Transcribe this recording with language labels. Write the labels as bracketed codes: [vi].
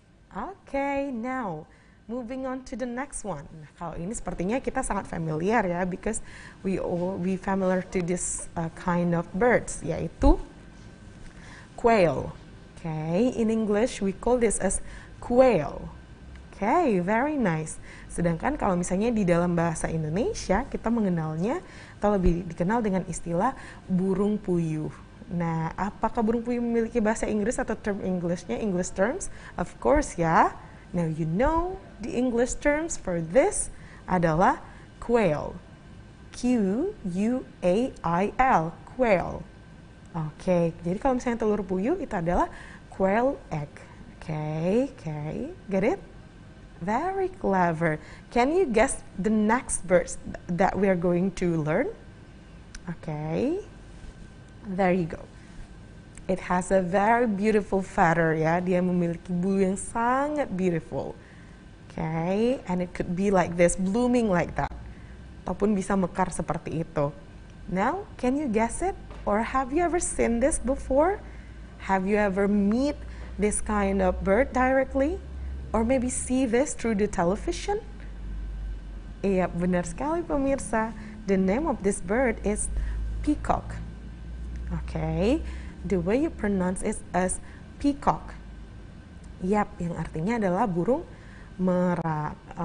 [en] Okay, now moving on to the next one. [id] Nah, kalau ini sepertinya kita sangat familiar ya, [en] because we familiar to this kind of birds, [id] yaitu quail. [en] Okay, in English we call this as quail. Okay, very nice. [id] Sedangkan kalau misalnya di dalam bahasa Indonesia, kita mengenalnya atau lebih dikenal dengan istilah burung puyuh. Nah, apakah burung puyuh memiliki bahasa Inggris atau term Inggrisnya, English terms? [en] Of course, ya. Yeah. Now, you know the English terms for this [id] adalah [en] quail. Q-U-A-I-L, quail. [id] Okay, jadi kalau misalnya telur puyuh, itu adalah quail egg. [en] Okay, get it? Very clever. Can you guess the next birds that we are going to learn? Okay. There you go. It has a very beautiful feather, ya. [id] Dia memiliki bulu yang sangat beautiful. [en] Okay. And it could be like this, blooming like that. [id] Ataupun bisa mekar seperti itu. [en] Now, can you guess it? Or have you ever seen this before? Have you ever meet this kind of bird directly? Or maybe see this through the television? [id] Iya, benar sekali pemirsa. [en] The name of this bird is peacock. Okay, the way you pronounce it as peacock. [id] Yap, yang artinya adalah burung merak.